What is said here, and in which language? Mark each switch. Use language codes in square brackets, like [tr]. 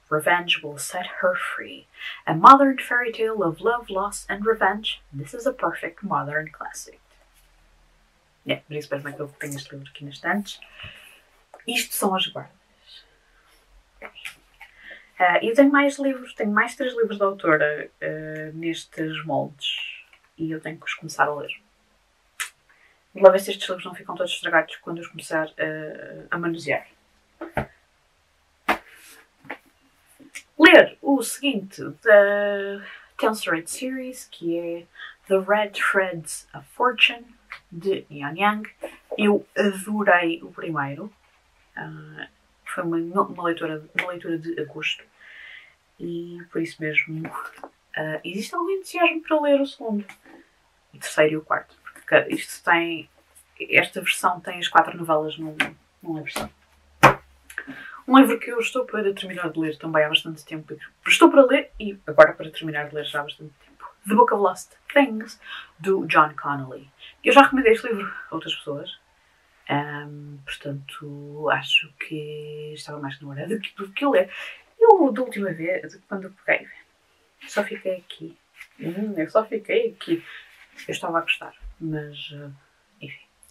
[en] Revenge will set her free. A modern fairy tale of love, loss and revenge. This is a perfect modern classic. [pt] É, por isso mesmo é que eu tenho este livro aqui na estante. Isto são as guardas. E tenho mais livros, tenho mais 3 livros da autora, nestes moldes. E eu tenho que os começar a ler. Vou lá ver se estes livros não ficam todos estragados quando os começar, a manusear. Ler o seguinte da Tenseract Series, que é The Red Threads of Fortune, de Neon Young. Eu adorei o primeiro. Foi uma leitura de agosto. E por isso mesmo, existe algum entusiasmo para ler o segundo, o terceiro e o quarto. Porque isto tem. Esta versão tem as 4 novelas numa versão. Um livro que eu estou para terminar de ler também há bastante tempo. Estou para ler e agora para terminar de ler já há bastante tempo. The Book of Lost Things, do John Connolly. Eu já recomendei este livro a outras pessoas. Portanto, acho que estava mais na hora do que ler. Eu, da última vez, quando peguei, só fiquei aqui. Eu só fiquei aqui. Eu estava a gostar, mas, enfim.